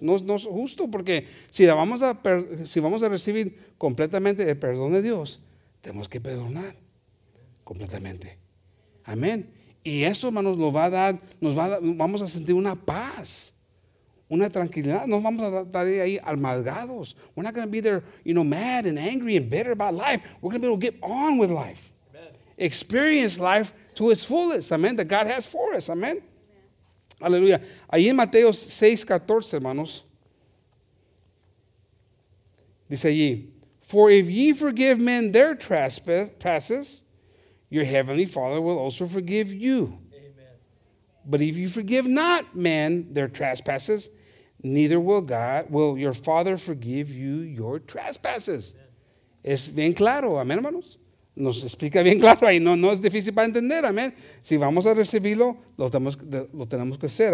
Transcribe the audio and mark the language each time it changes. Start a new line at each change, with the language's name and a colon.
Spanish: No es justo porque si vamos a recibir completamente el perdón de Dios, tenemos que perdonar completamente. Amén. Y eso, hermanos, vamos a sentir una paz, una tranquilidad. No vamos a estar ahí amargados.
English: We're not going to be there, you know, mad and angry and bitter about life. We're going to be able to get on with life. Amen. Experience life to its fullest, amén, that God has for us, amén. Aleluya.
Spanish: Ahí en Mateo 6:14, hermanos, dice allí,
English: for if ye forgive men their trespasses, your heavenly Father will also forgive you. Amen. But if you forgive not men their trespasses, neither will your Father forgive you your trespasses.
Spanish: Amen. Es bien claro, amén, hermanos. Nos explica bien claro ahí, no es difícil para entender, amén. Si vamos a recibirlo, lo tenemos que hacer.